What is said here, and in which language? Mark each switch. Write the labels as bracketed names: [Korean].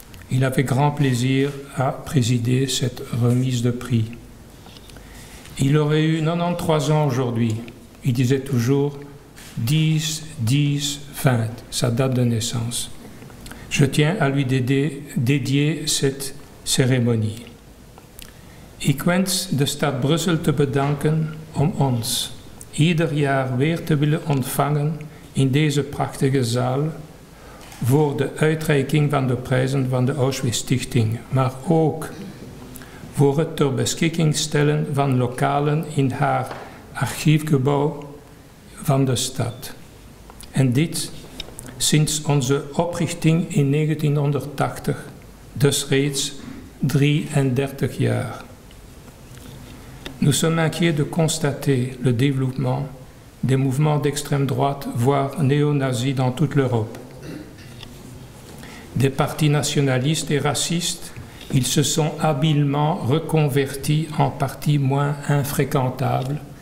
[French] Il avait grand plaisir à présider cette remise de prix. Il aurait eu 93 ans aujourd'hui. Il disait toujours 10, 10, 20, sa date de naissance. Je tiens à lui dédier cette cérémonie. [Dutch] Ik wens de stad Brussel te bedanken om ons ieder jaar weer te willen ontvangen in deze prachtige zaal voor de uitreiking van de prijzen van de Auschwitz-stichting, maar ook voor het ter beschikking stellen van lokalen in haar archiefgebouw van de stad. En dit sinds onze oprichting in 1980, dus reeds 33 jaar. [French] Nous sommes inquiets de constater le développement des mouvements d'extrême droite, voire néo-nazis dans toute l'Europe. Des partis nationalistes et racistes, ils se sont habilement reconvertis en partis moins infréquentables.